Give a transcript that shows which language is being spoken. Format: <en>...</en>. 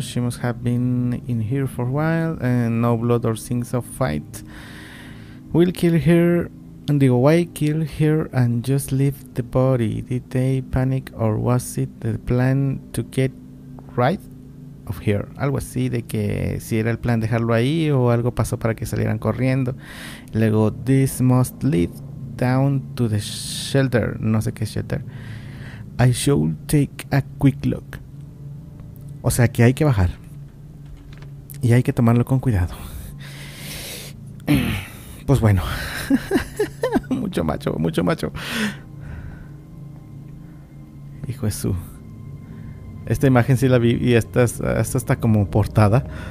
<en>She must have been in here for a while. No blood or things of fight. We'll kill her. Digo, why kill her and just leave the body? Did they panic or was it the plan to get right of here?</en> <es>Algo así de que si era el plan dejarlo ahí o algo pasó para que salieran corriendo.</es> <en>Luego, this must lead down to the shelter.</en> <es>No sé qué es shelter.</es> <en>I should take a quick look.</en> <es>O sea que hay que bajar y hay que tomarlo con cuidado. Pues bueno. Mucho macho. Hijo de su. Esta imagen sí la vi y esta está como portada.</es>